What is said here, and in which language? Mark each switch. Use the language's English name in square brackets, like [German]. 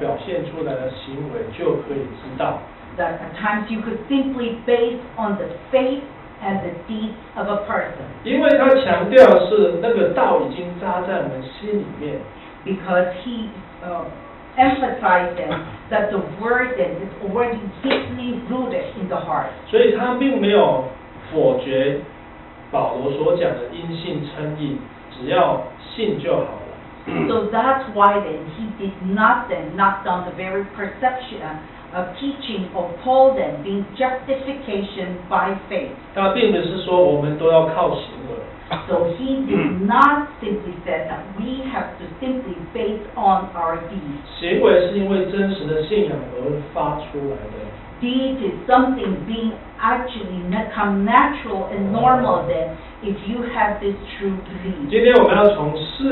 [Chinese] 只要看他的信心还有他表现出来的行为就可以知道。 [English] That at times you could simply base on the faith and the deeds of a person. [Chinese] 因为他强调是那个道已经扎在我们心里面。 [English] Because he emphasize them that the word then is already deeply rooted in the heart. [Chinese] 所以他并没有否决保罗所讲的因信称义，只要信就好了。 [English] So that's why then he did not then knock down the very perception of teaching of Paul then being justification by faith. [Chinese] 他并不是说我们都要靠行为。 [English] So he did not simply say that we have to simply base on our deeds. [Chinese] 行为是因为真实的信仰而发出来的。 [English] Deed is something being actually come natural and normal then if you have this true belief.